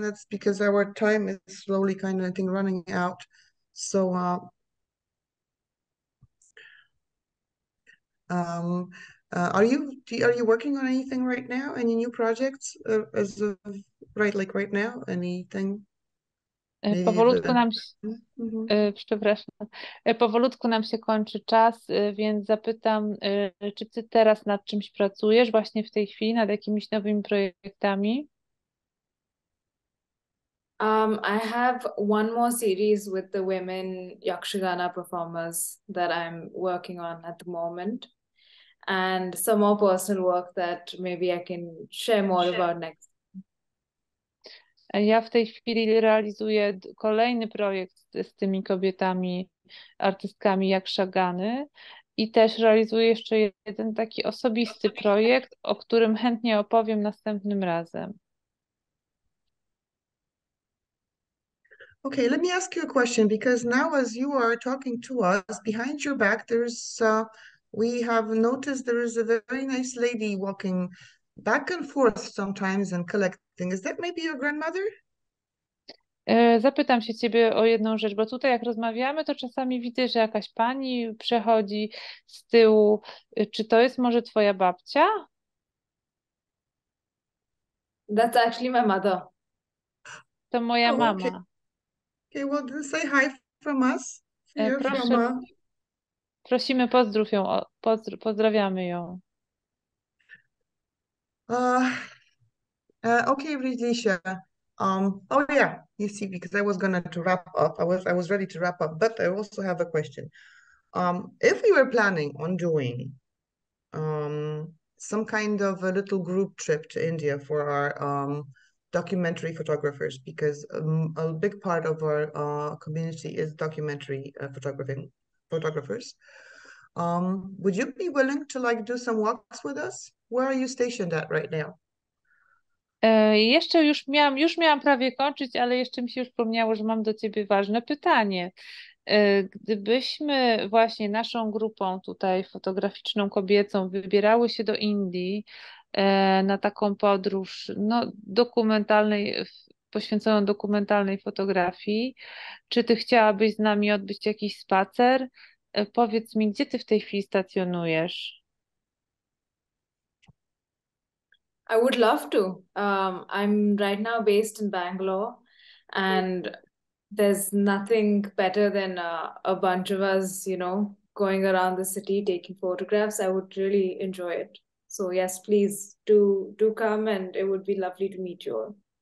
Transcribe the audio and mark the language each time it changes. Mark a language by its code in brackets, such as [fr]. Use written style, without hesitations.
[en] That's because our time is slowly kind of, I think, running out. So, are you working on anything right now? Any new projects as of right, like right now? Anything? Maybe [pl] Powolutku [en] the [pl] nam się, przepraszam, powolutku nam się kończy czas, więc zapytam, czy ty teraz nad czymś pracujesz właśnie w tej chwili, nad jakimiś nowymi projektami? [en] I have one more series with the women Yakshagana performers that I'm working on at the moment, and some more personal work that maybe I can share more about next. [pl] Ja w tej chwili realizuję kolejny projekt z tymi kobietami, artystkami Yakshagany i też realizuję jeszcze jeden taki osobisty projekt, o którym chętnie opowiem następnym razem. [en] Okay, let me ask you a question, because now as you are talking to us, behind your back, we have noticed there is a very nice lady walking back and forth sometimes and collecting. Is that maybe your grandmother? [pl] Zapytam się ciebie o jedną rzecz, bo tutaj jak rozmawiamy, to czasami widzę, że jakaś pani przechodzi z tyłu. Czy to jest może twoja babcia? [en] That's actually my mother. [pl] To moja mama. [en] Okay. Okay, well, then say hi from us. [pl] Proszę, prosimy, pozdrów ją, pozdrawiamy ją. [en] Okay, Rydlisia. Oh yeah, you see, because I was going to wrap up. I was ready to wrap up, but I also have a question. If we were planning on doing some kind of a little group trip to India for our documentary photographers, because a big part of our community is documentary photographers, would you be willing to like do some walks with us? Where are you stationed at right now? [pl] Jeszcze już miałam prawie kończyć, ale jeszcze mi się już przypomniało, że mam do ciebie ważne pytanie. Gdybyśmy właśnie naszą grupą tutaj fotograficzną kobiecą wybierały się do Indii na taką podróż dokumentalnej, poświęconą dokumentalnej fotografii, czy ty chciałabyś z nami odbyć jakiś spacer? Powiedz mi, gdzie ty w tej chwili stacjonujesz? [en] I would love to. I'm right now based in Bangalore, and there's nothing better than a bunch of us, you know, going around the city taking photographs. I would really enjoy it. So yes, please do come, and it would be lovely to meet you all.